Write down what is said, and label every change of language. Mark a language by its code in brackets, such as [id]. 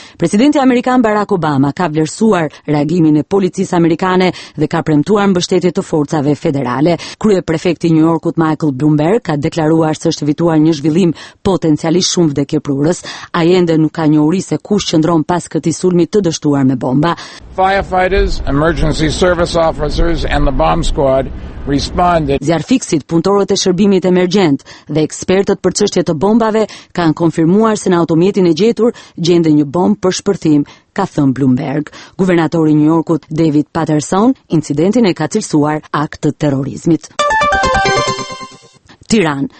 [sq] Presidenti amerikan Barack Obama ka vlerësuar reagimin e policisë amerikane dhe ka premtuar mbështetje të forcave federale. Kryeprefekti i New Yorkut Michael Bloomberg ka deklaruar se është evituar një zhvillim potencialisht shumë vdekjeprurës. Ai ende nuk ka njohuri se kush qëndron pas këtij sulmi të dështuar me bomba. [en] Firefighters, emergency service officers and the bomb squad responded. [sq] Zjarfiksit, punëtorët e shërbimit emergjent dhe ekspertët për çështje të bombave kanë konfirmuar se në automjetin e gjetur gjende një bombë për shpërthim, ka thënë Bloomberg. Guvernatori i New Yorkut David Paterson incidentin e ka cilësuar akt të terrorizmit. Tiranë.